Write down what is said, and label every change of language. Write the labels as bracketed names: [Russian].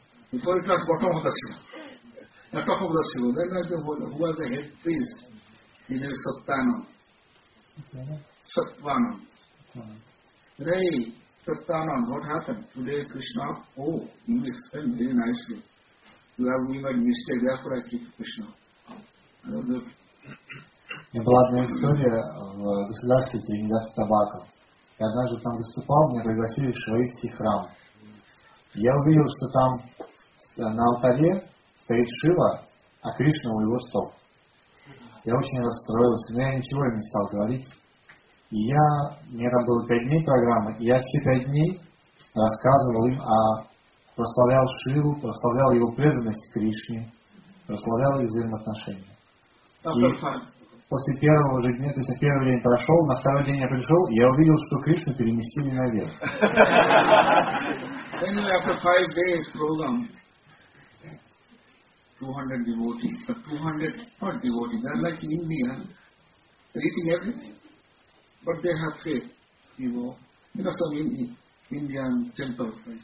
[English] Before it was bottom of the Shiva. The top of the Shiva. Then I said, who was the head priest? He named Sattvanam. Sattvanam. Ray, Sattvanam, what happened? Today Krishna, oh, you explained very nicely. You have made a mistake, therefore I keep Krishna. [Russian] У меня была одна история в государстве Триндад-Тобаго. И однажды там выступал, мне пригласили в шивайский храм. И я увидел, что там на алтаре стоит Шива, а Кришна у его стоп. Я очень расстроился, но я ничего не стал говорить. И я, у меня там было 5 дней программы, и я все 5 дней рассказывал им, а прославлял Шиву, прославлял его преданность Кришне, прославлял их взаимоотношения. После первого же дня, то есть первый день прошел, на второй день я пришел, и я увидел, что Кришну переместили наверх. [English] Anyway, after 5 days program, 200 devotees, but 200 not devotees, they are like in India, eating everything, but they have faith, you know, some Indian temples, right?